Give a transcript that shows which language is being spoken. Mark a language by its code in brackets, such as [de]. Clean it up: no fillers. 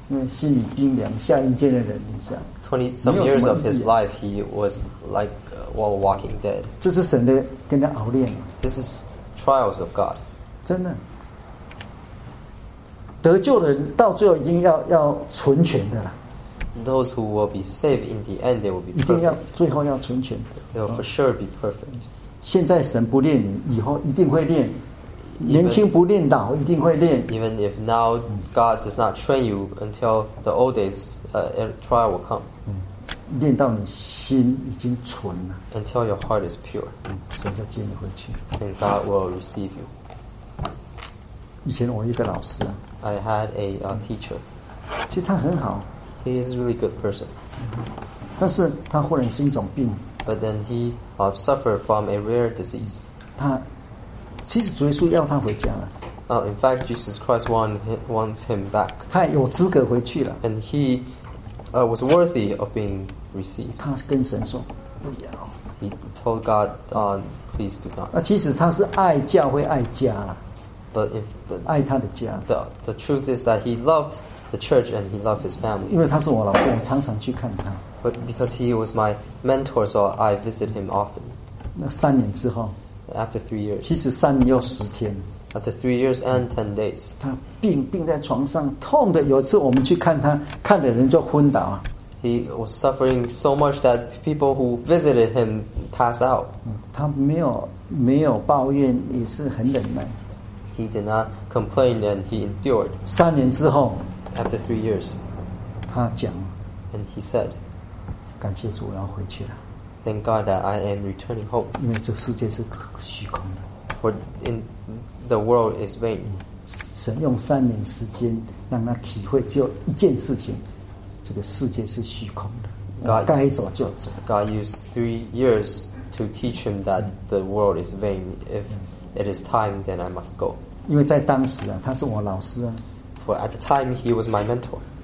[zh] 心里冰凉，下阴间的人，你想 [en] ，20 some years of his life, he was like while walking dead. [zh] 这是神的跟他熬炼。 [en] This is trials of God. [zh] 真的，得救的人到最后一定要纯全的了。 [en] Those who will be saved in the end, they will be perfect. [zh] 一定要最后要纯全的。 [en] They will for sure be perfect. [zh] 现在神不炼你，以后一定会炼。年轻不练倒，一定会练。 [en] Even if now God does not train you until the old days, trial will come. [zh] 练到你心已经纯了。 [en] Until your heart is pure. [zh] 神就接你回去。 [en] And God will receive you. [zh] 以前我一个老师啊。 [en] I had a teacher. [zh] 其实他很好。 [en] He is a really good person. [zh] 但是他忽然心脏病。 [en] But then he suffered from a rare disease. [zh] 他其实主耶稣要他回家了。 [en] In fact, Jesus Christ wants him back. [zh] 他有资格回去了。 [en] And he was worthy of being received. [zh] 他跟神说不要。 [en] He told God, please do not. [zh] 其实他是爱教会爱家了。 [en] But [zh] 爱他的家。 [en] The truth is that he loved the church and he loved his family. [zh] 因为他是我老师，我常常去看他。 [en] But because he was my mentor, so I visit him often. [zh] 那三年之后。 [en] After 3 years, [zh] 其实三年又十天。 [en] After 3 years and 10 days, [zh] 他病在床上，痛的。有一次我们去看他，看的人就昏倒。 [en] He was suffering so much that people who visited him passed out. [zh] 他没有抱怨，也是很忍耐。 [en] He did not complain and he endured. [zh] 三年之后 [en] ，After 3 years, [zh] 他讲 [en] ，And he said, [zh] 感谢主，我要回去了。 [en] Thank God that I am returning home. [zh] 因为这世界是虚空的。 [en] For in the world is vain. [zh] 神用三年时间让他体会只有一件事情，这个世界是虚空的。 [en] God [zh] 该走就走。 [en] God used 3 years to teach him that the world is vain. If it is time, then I must go. [zh] 因为在当时啊，他是我老师啊。 [en] For at the time he was my mentor.